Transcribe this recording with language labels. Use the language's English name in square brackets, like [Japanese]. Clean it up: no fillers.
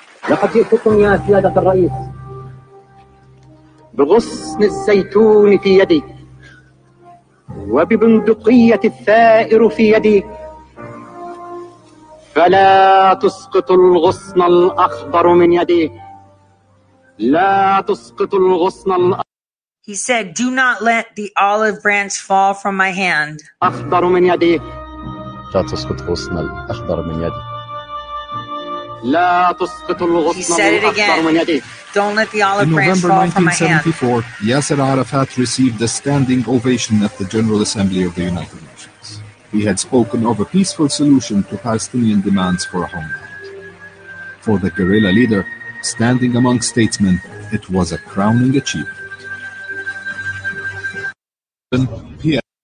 [Arabic] لقد جئتكم يا سيادة الرئيس بغصن الزيتون في يدي وببندقية الثائر في يدي فلا تسقط الغصن الأخضر من يديه. لا تسقط الغصن الأخضر. [English] He said, "Do not let the olive branch fall from my hand." [Arabic] أخضر من يديه. لا تسقط الغصن الأخضر من يديه. لا تسقط الغصن الأخضر من يديه. [English] Don't let the olive branch fall from my hand. In November 1974, Yasser Arafat received a standing ovation at the General Assembly of the United Nations. He had spoken of a peaceful solution to Palestinian demands for a homeland. For the guerrilla leader, standing among statesmen, it was a crowning achievement.